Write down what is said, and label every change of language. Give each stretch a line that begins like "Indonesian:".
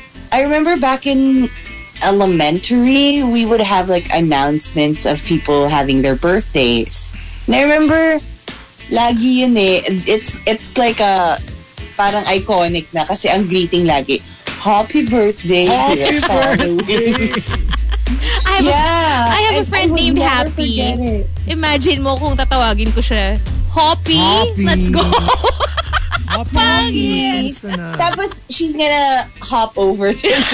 English: I remember back in elementary, we would have like announcements of people having their birthdays. And I remember
Filipino: lagi yun eh.
English: It's like a
Filipino: parang iconic na kasi ang greeting lagi.
English: Happy birthday. Happy birthday. I have a friend named Happy.
Filipino: Imagine mo kung tatawagin ko siya.
English: Hoppy, let's go. Hoppy.
Filipino: Tapos
English: she's gonna hop over to